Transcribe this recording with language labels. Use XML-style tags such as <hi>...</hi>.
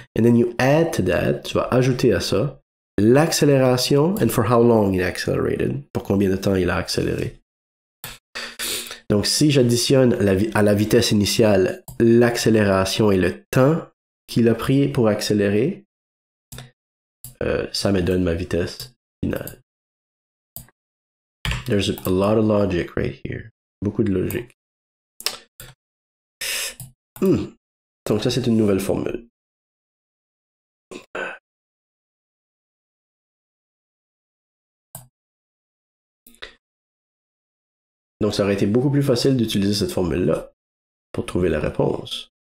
<en>And then you add to that,</en> <fr>tu vas ajouter à ça l'accélération</fr> <en>and for how long it accelerated.</en> <fr>Pour combien de temps il a accéléré. Donc, si j'additionne à la vitesse initiale l'accélération et le temps qu'il a pris pour accélérer, ça me donne ma vitesse finale.</fr> <en>There's a lot of logic right here.</en> <fr>Beaucoup de logique. Donc ça, c'est une nouvelle formule. Donc, ça aurait été beaucoup plus facile d'utiliser cette formule-là pour trouver la réponse.</fr>